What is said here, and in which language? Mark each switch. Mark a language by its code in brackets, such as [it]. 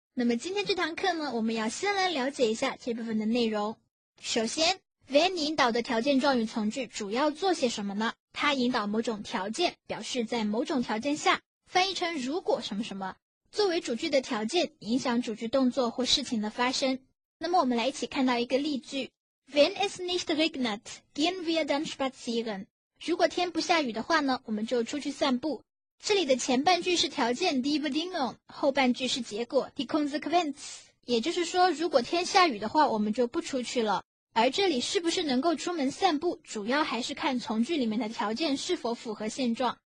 [zh] 那么今天这堂课呢，我们要先来了解一下这部分的内容。首先 ，wenn 引导的条件状语从句主要做些什么呢？它引导某种条件，表示在某种条件下，翻译成如果什么什么，作为主句的条件，影响主句动作或事情的发生。那么我们来一起看到一个例句 [de] Wenn es nicht regnet, gehen wir dann spazieren. [zh] 如果天不下雨的话呢，我们就出去散步。这里的前半句是条件 [de] die Bedingung， [zh] 后半句是结果 [de] die Konsequenz。 [zh] 也就是说，如果天下雨的话，我们就不出去了。而这里是不是能够出门散步，主要还是看从句里面的条件是否符合现状。